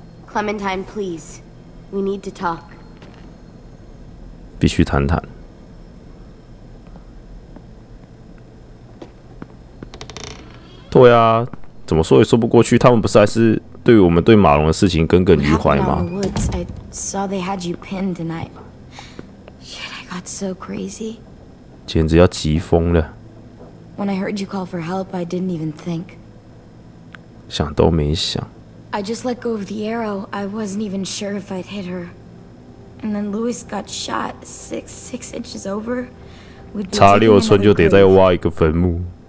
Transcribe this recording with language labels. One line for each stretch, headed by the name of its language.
English: Clementine, please. We need to talk.
Chinese: 必须谈谈。对啊，怎么说也说不过去。他们不是还是对我们对马龙的事情耿耿于怀吗
English: ？I saw they had you pinned, and I, shit, I got so crazy.
Chinese: 简直要急疯了。
English: When I heard you call for help, I didn't even think.
Chinese: 想都没想。
English: I just let go of the arrow. I wasn't even sure if I'd hit her. And then Louis got shot six inches over.
Chinese: 差六寸就得再挖一个坟墓。